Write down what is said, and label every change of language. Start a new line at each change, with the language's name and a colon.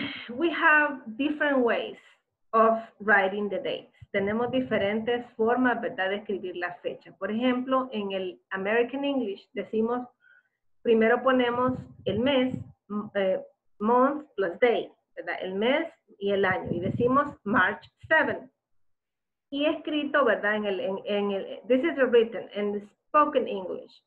English: We have different ways of writing the dates.
Spanish: Tenemos diferentes formas, ¿verdad?, de escribir la fecha. Por ejemplo, en el American English decimos, primero ponemos el mes,
English: month plus day,
Spanish: ¿verdad? El mes y el año, y decimos March 7. Y escrito, ¿verdad?
English: En el this is the written and spoken English.